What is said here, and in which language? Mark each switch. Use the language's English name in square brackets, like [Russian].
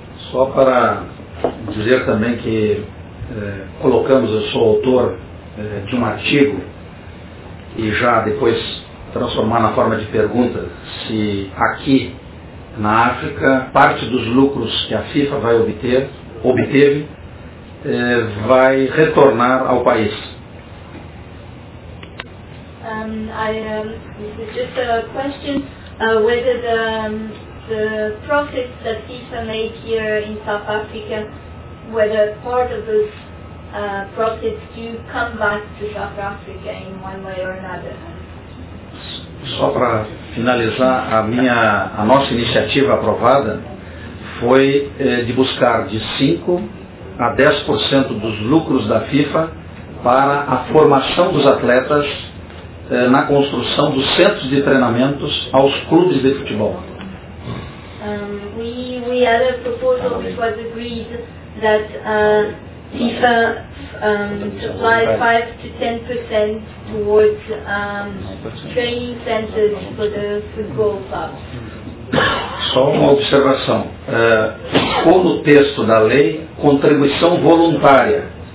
[Portuguese] Só para dizer também que colocamos, eu sou autor de um artigo, e já depois transformar na forma de pergunta, se aqui na África parte dos lucros que a FIFA vai obter, obteve, vai retornar ao país. [English] This is just a question whether the profits that FIFA made here in South Africa, whether part of those profits do come back to South Africa in one way or another. [Portuguese] Só para finalizar, a nossa iniciativa aprovada foi de buscar de 5 a 10% dos lucros da FIFA para a formação dos atletas na construção dos centros de treinamentos aos clubes de futebol. [English] We had a proposal which was agreed that FIFA supply 5 to 10% towards training centers for the football clubs. [Portuguese] Só uma observação. Ficou no texto da lei contribuição voluntária.